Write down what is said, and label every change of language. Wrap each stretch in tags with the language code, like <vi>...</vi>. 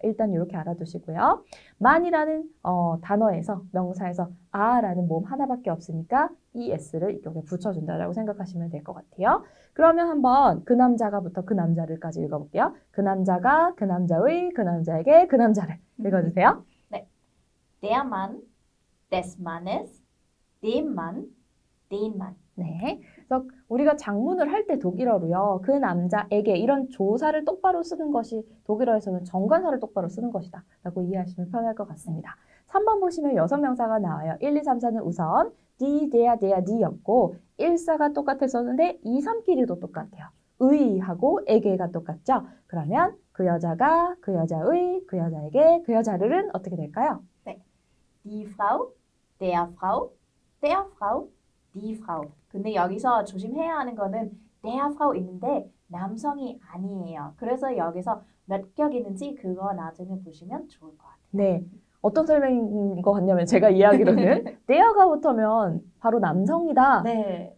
<ko>일단 이렇게 알아두시고요. man이라는 단어에서 명사에서 아라는 모음 하나밖에 없으니까 ES를 이렇게 붙여준다라고 생각하시면 될것 같아요. 그러면 한번 그 남자가부터 그 남자를까지 읽어볼게요. 그 남자가 그 남자의 그 남자에게 그 남자를 읽어주세요.</ko> <de>네. Der Mann des Mannes, dem Mann, den Mann.</de> <ko>네. 그래서 우리가 작문을 할때 독일어로요. 그 남자에게 이런 조사를 똑바로 쓰는 것이 독일어에서는 정관사를 똑바로 쓰는 것이다. 라고 이해하시면 편할 것 같습니다. 3번 보시면 6명사가 나와요. 1, 2, 3, 4는 우선 die, der, der, die였고 1, 4가 똑같았었는데 2, 3끼리도 똑같아요. 의하고 에게가 똑같죠? 그러면 그 여자가 그 여자의 그 여자에게 그 여자를은 어떻게 될까요?</ko> <de>Die Frau, der Frau, der Frau, die Frau.</de> <ko>근데 여기서 조심해야 하는 거는</ko> <de>der Frau</de> <ko>있는데 남성이 아니에요. 그래서 여기서 몇격 있는지 그거 나중에 보시면 좋을 것 네. 어떤 설명인 것 같냐면 제가 이해하기로는 같아요. 대어가 붙으면 바로 남성이다. 네.</ko>